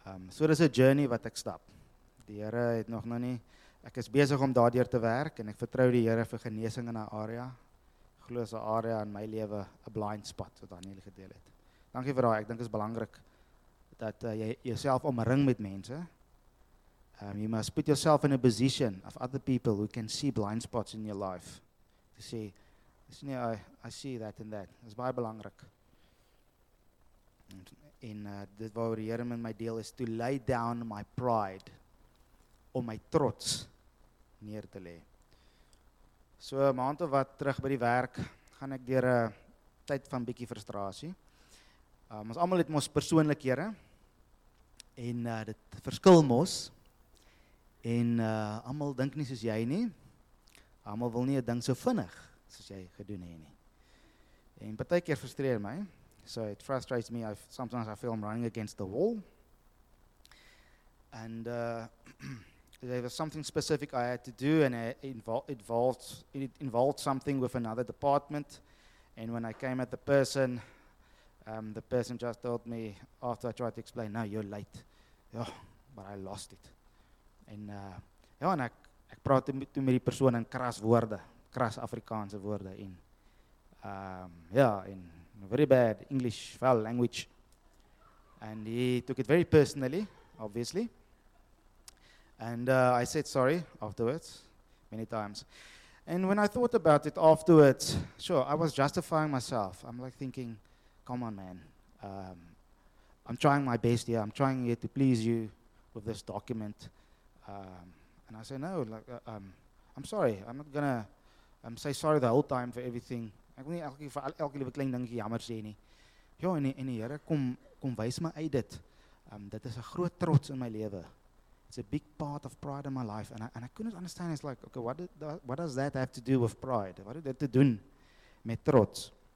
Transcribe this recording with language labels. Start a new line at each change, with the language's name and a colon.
Afrikaans: So dis 'n journey wat ek stap. Die Here het nog nou nie, ek is besig om daardeur te werk en ek vertrou die Here vir genesing in 'n area. Glo so 'n area in my lewe, 'n blind spot wat Daniel gedeel het. Dankie vir daai, ek dink is belangrik dat jy jouself omring met mense.
English: You must put yourself in a position of other people who can see blind spots in your life. To say, I see that and that. It's
Afrikaans: baie belangrik. En dit waar die Here met my deel is,
English: to lay down my pride,
Afrikaans: om my trots neer te lê. So, maand of wat terug by die werk, gaan ek deur 'n tyd van bietjie frustrasie. Ons almal het mos persoonlikhede, en dit verskil mos. En almal dink nie soos jy nie. Almal wil nie 'n ding so vinnig soos jy gedoen het nie. En baie keer frustreer my.
English: So it frustrates me. Sometimes I feel I'm running against the wall. And there was something specific I had to do, and it involved something with another department. And when I came at the person just told me, after I tried to explain, no, you're late. Oh, but I lost it.
Afrikaans: En ja, en ek praat toe met die persoon in kras woorde, kras Afrikaanse woorde, en ja,
English: in very bad English, foul language. And he took it very personally, obviously. And I said sorry afterwards, many times. And when I thought about it afterwards, sure, I was justifying myself. I'm like thinking, come on, man. I'm trying my best here. I'm trying here to please you with this document. And I said, no, like, I'm sorry. I'm not going to say sorry the whole time for everything.
Afrikaans: Ek wil nie elke vir elke liewe klein dingetjie jammer sê nie. Ja, en die Here kom wys my uit dit. Dit is 'n groot trots in my lewe.
English: It's a big part of pride in my life, and I couldn't understand. It's like, okay, what does that have to do with pride?
Afrikaans: Wat het dit te doen met trots?